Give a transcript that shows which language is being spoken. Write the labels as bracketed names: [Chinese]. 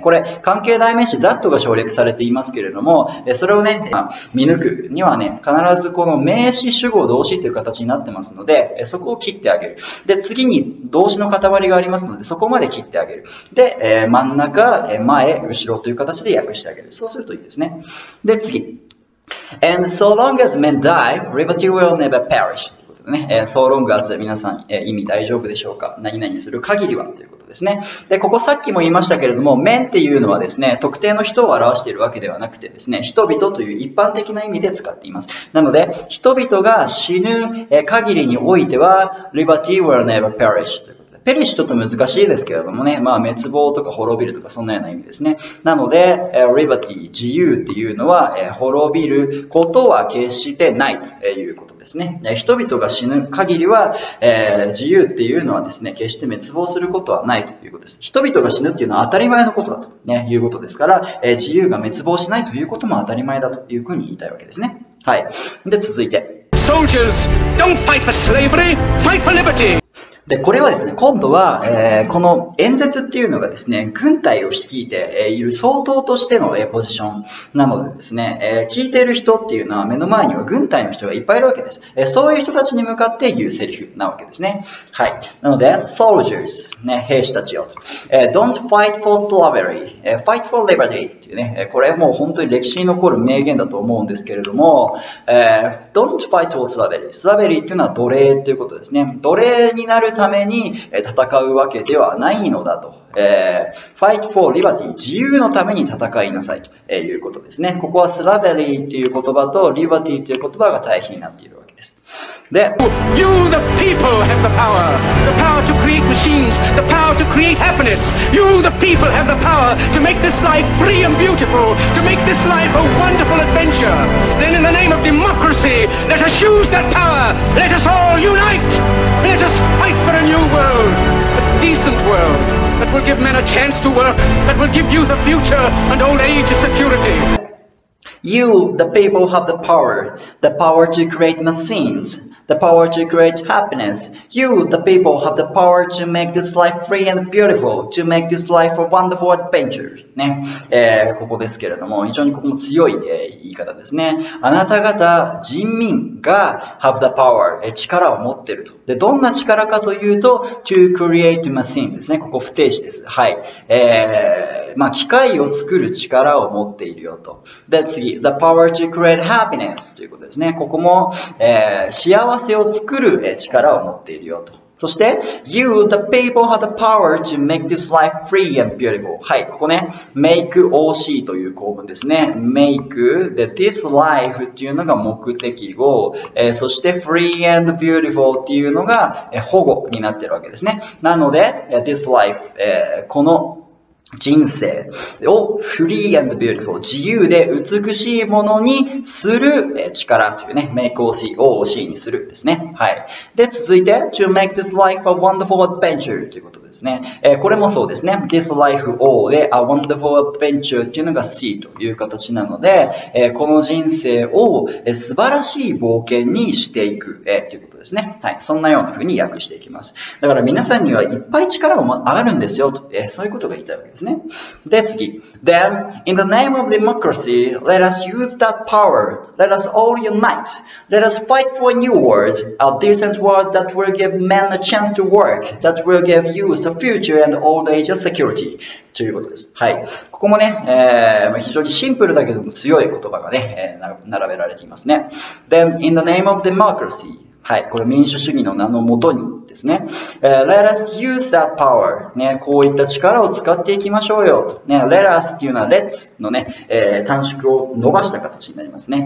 [Japanese] これ、関係代名詞 that が省略されていますけれども、それをね、見抜くにはね、必ずこの名詞主語動詞という形になってますので、そこを切ってあげる。で、次に動詞の塊がありますので、そこまで切ってあげる。で、真ん中、前、後ろという形で訳してあげる。そうするといいですね。で、次。 [English] And so long as men die, liberty will never perish. [Japanese] ということでね。 [English] So long as [Japanese] 皆さん、意味大丈夫でしょうか？何々する限りはということですね。で、ここさっきも言いましたけれども、men っていうのはですね、特定の人を表しているわけではなくてですね、人々という一般的な意味で使っています。なので、人々が死ぬ限りにおいては、 [English] liberty will never perish。 [Japanese] ペリシちょっと難しいですけれどもね。まあ、滅亡とか滅びるとかそんなような意味ですね。なので、liberty、自由っていうのは、滅びることは決してないということですね。人々が死ぬ限りは、自由っていうのはですね、決して滅亡することはないということです。人々が死ぬっていうのは当たり前のことだと、ね、いうことですから、自由が滅亡しないということも当たり前だというふうに言いたいわけですね。はい。で、続いて。 [English] Soldiers, don't fight for slavery, fight for liberty! [Japanese] で、これはですね、今度は、この演説っていうのがですね、軍隊を率いている総統としての、ポジションなのでですね、聞いてる人っていうのは目の前には軍隊の人がいっぱいいるわけです。そういう人たちに向かって言うセリフなわけですね。はい。なので、soldiers、ね、兵士たちよと。 [English] don't fight for slavery, fight for liberty [Japanese] っていうね、これもう本当に歴史に残る名言だと思うんですけれども、 [English] don't fight for slavery. [Japanese] スラベリーっていうのは奴隷っていうことですね。奴隷になるために戦うわけではないのだと、 [English] Fight for Liberty、 [Japanese] 自由のために戦いなさいということですね。ここはスラベリーという言葉とリバティという言葉が対比になっているわけです。で、 [English] You the people have the power, the power to create machines, the power to create happiness. You the people have the power to make this life free and beautiful, to make this life a wonderful adventure. Then in the name of democracy, let us use that power, let us all unite, let us fight for a new world, a decent world that will give men a chance to work, that will give youth a future and old age a security. You, the people, have the power to create machines, the power to create happiness. You, the people, have the power to make this life free and beautiful, to make this life a wonderful adventure. [Japanese] ね。ここですけれども、非常にここも強い、言い方ですね。あなた方、人民が [English] have the power、 [Japanese] 力を持っていると。で、どんな力かというと、 [English] to create machines [Japanese] ですね。ここ不定詞です。はい。まあ、機械を作る力を持っているよと。で、次、 [English] the power to create happiness [Japanese] ということですね。ここも、幸せを作る力を持っているよと。そして、 [English] you, the people, have the power to make this life free and beautiful. [Japanese] はい、ここね、make OC という構文ですね。 make, で、 [English] this life [Japanese] っていうのが目的語、そして [English] free and beautiful [Japanese] っていうのが、保護になってるわけですね。なので、this life,、この人生を [English] free and beautiful, [Japanese] 自由で美しいものにする力というね、make OC を OC にするですね。はい。で、続いて、 [English] to make this life a wonderful adventure [Japanese] ということですね。これもそうですね。 this life O で [English] a wonderful adventure [Japanese] っていうのが C という形なので、この人生を素晴らしい冒険にしていくということですね。はい。そんなような風に訳していきます。だから皆さんにはいっぱい力があるんですよと、そういうことが言いたいわけですね。で、次。 [English] Then, in the name of democracy, let us use that power. Let us all unite. Let us fight for a new world, a decent world that will give men a chance to work, that will give youth a future and old age a security. [Japanese] ということです。はい。ここもね、非常にシンプルだけども強い言葉がね、並べられていますね。 [English] Then, in the name of democracy,はい。 [Japanese] これ民主主義の名のもとにですね。 [English] Let us use that power. [Japanese] ね。こういった力を使っていきましょうよと。ね。 [English] Let us [Japanese] っていうのは let's のね、短縮を逃した形になりますね。